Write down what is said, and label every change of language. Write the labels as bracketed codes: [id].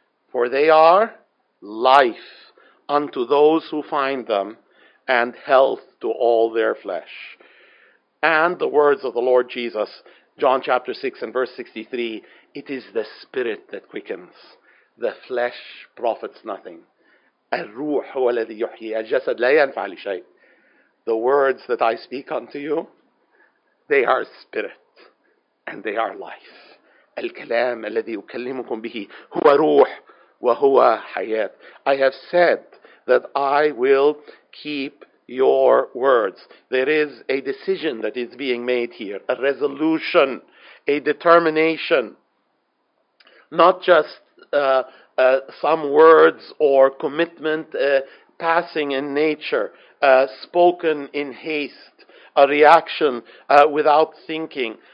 [en] For they are life unto those who find them, and health to all their flesh. And the words of the Lord Jesus, John chapter 6 and verse 63, it is the spirit that quickens, the flesh profits nothing. [ar] الروح هو الذي يحيي الجسد لا ينفع لشيء. [en] The words that I speak unto you, they are spirit and they are life. [ar] الكلام الذي أكلمكم به هو روح وهو حياة. [en] I have said that I will keep your words. There is a decision that is being made here, a resolution, a determination. Not just some words or commitment passing in nature, spoken in haste, a reaction without thinking.